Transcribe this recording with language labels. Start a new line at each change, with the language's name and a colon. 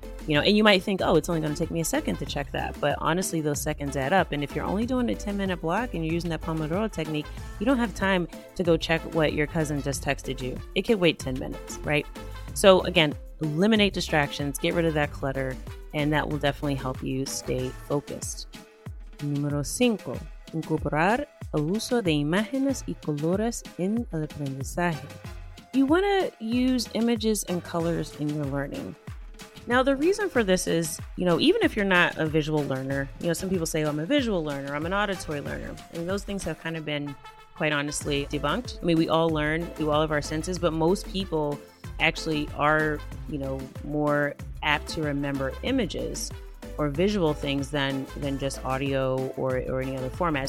English: You know, and you might think, oh, it's only going to take me a second to check that. But honestly, those seconds add up. And if you're only doing a 10-minute block and you're using that Pomodoro technique, you don't have time to go check what your cousin just texted you. It could wait 10 minutes, right? So again, eliminate distractions, get rid of that clutter, and that will definitely help you stay focused.
Spanish: Número 5, incorporar el uso de imágenes y colores en el aprendizaje.
English: You want to use images and colors in your learning. Now, the reason for this is, you know, even if you're not a visual learner, you know, some people say, oh, I'm a visual learner, I'm an auditory learner, and those things have kind of been, quite honestly, debunked. I mean, we all learn through all of our senses, but most people actually are, you know, more apt to remember images or visual things than just audio or any other format.